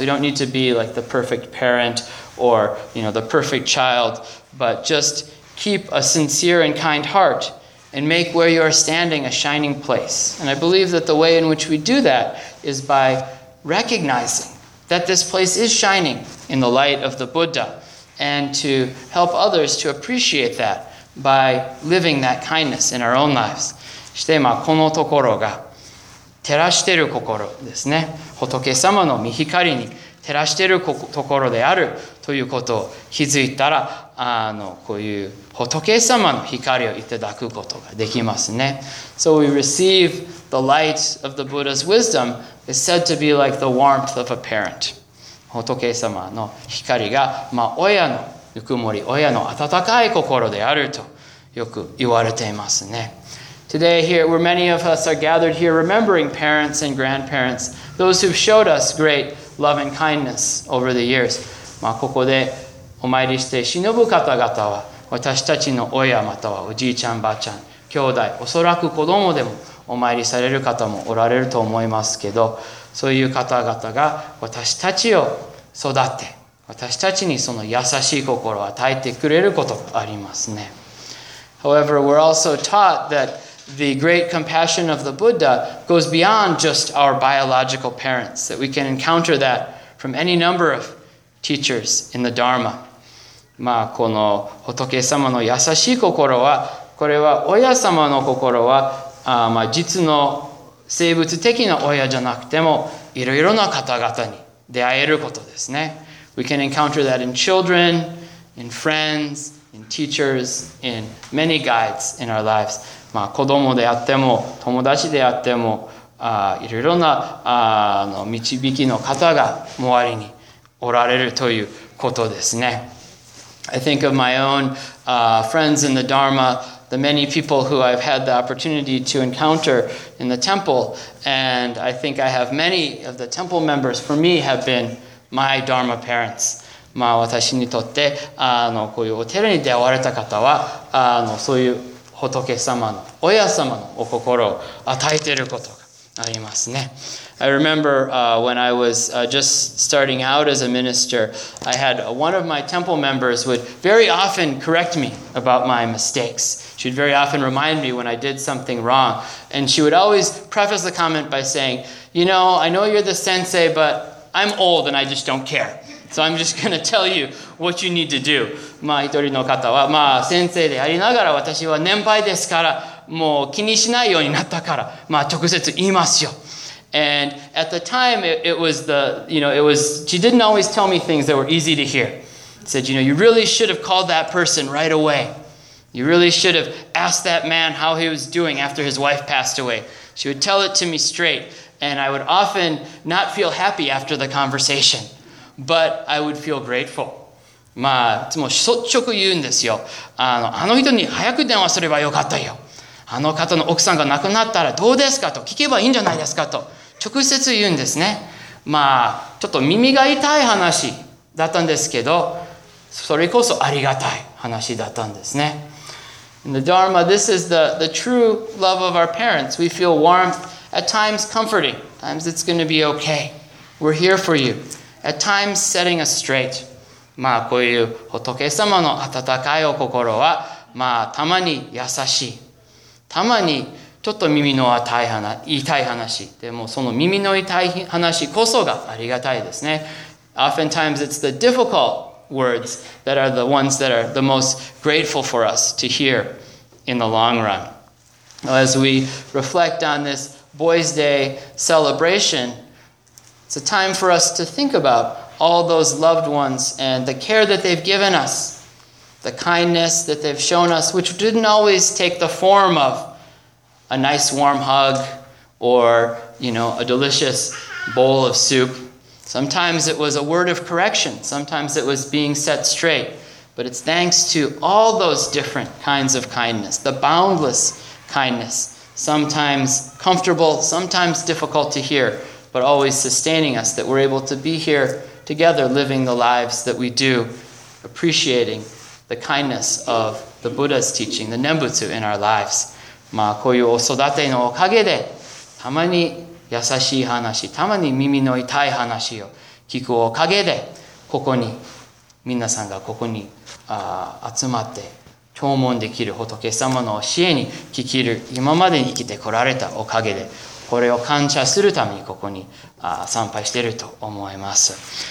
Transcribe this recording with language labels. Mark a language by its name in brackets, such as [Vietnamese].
[English] We don't need to be like the perfect parent or, the perfect child, but just keep a sincere and kind heart and make where you are standing a shining place. And I believe that the way in which we do that is by recognizing that this place is shining in the light of the Buddha and to help others to appreciate that. By living that kindness in our own lives. [Japanese] して、まあ、このところが照らしている心ですね。仏様の御光に照らしているところであるということを気づいたら、こういう仏様の光をいただくことができますね。 [English] So we receive the light of the Buddha's wisdom is said to be like the warmth of a parent. [Japanese] 仏様の光が、まあ、親のぬくもり、親の温かい心であるとよく言われていますね。 [English] Today here, where many of us are gathered here remembering parents and grandparents, those who've showed us great love and kindness over the years. [Japanese] まあ、ここでお参りして忍ぶ方々は、私たちの親またはおじいちゃん、ばあちゃん、兄弟、おそらく子供でもお参りされる方もおられると思いますけど、そういう方々が私たちを育って、私たちにその優しい心を与えてくれることがありますね。 [English] However, we're also taught that the great compassion of the Buddha goes beyond just our biological parents, that we can encounter that from any number of teachers in the Dharma. [Japanese] まあ、この仏様の優しい心は、これは親様の心は、まあ、実の生物的な親じゃなくても、いろいろな方々に出会えることですね。 [English] We can encounter that in children, in friends, in teachers, in many guides in our lives. [Japanese] まあ、子供であっても、友達であっても、いろいろな、導きの方が周りにおられるということですね。 [English] I think of my own friends in the Dharma, the many people who I've had the opportunity to encounter in the temple, and I think I have many of the temple members for me have been My Dharma parents. [Japanese] まあ私にとって、こういうお寺に出会われた方は、そういう仏様の、親様のお心を与えていることがありますね。 [English] I remember when I was just starting out as a minister, I had one of my temple members would very often correct me about my mistakes. She would very often remind me when I did something wrong. And she would always preface the comment by saying, you know, I know you're the sensei, but... I'm old and I just don't care. So I'm just going to tell you what you need to do. [Japanese] まあ一人の方は、まあ先生でありながら私は年配ですから、もう気にしないようになったから、まあ直接言いますよ。 [English] And at the time, it was she didn't always tell me things that were easy to hear. Said, you know, you really should have called that person right away. You really should have asked that man how he was doing after his wife passed away. She would tell it to me straight, and I would often not feel happy after the conversation, but I would feel grateful. [Japanese] まあ、いつも率直言うんですよ。あの人に早く電話すればよかったよ。あの方の奥さんが亡くなったらどうですかと聞けばいいんじゃないですかと直接言うんですね。まあ、ちょっと耳が痛い話だったんですけど、それこそありがたい話だったんですね。 [English] In the Dharma, this is the true love of our parents. We feel warmth, at times comforting. At times it's going to be okay. We're here for you. At times setting us straight. [Japanese] まあこういう仏様の温かいお心は、まあたまに優しい。たまにちょっと耳の痛い話。でもその耳の痛い話こそがありがたいですね。 [English] Oftentimes it's the difficult words that are the ones that are the most grateful for us to hear in the long run. Now, as we reflect on this Boys' Day celebration, it's a time for us to think about all those loved ones and the care that they've given us, the kindness that they've shown us, which didn't always take the form of a nice warm hug or, you know, a delicious bowl of soup. Sometimes it was a word of correction. Sometimes it was being set straight. But it's thanks to all those different kinds of kindness, the boundless kindness, sometimes comfortable, sometimes difficult to hear, but always sustaining us, that we're able to be here together, living the lives that we do, appreciating the kindness of the Buddha's teaching, the Nembutsu in our lives. [Japanese] まあ、こういうお育てのおかげで、たまに優しい話、たまに耳の痛い話を聞くおかげで、ここに、皆さんがここに集まって、弔問できる仏様の教えに聞ける、今までに生きてこられたおかげで、これを感謝するためにここに参拝していると思います。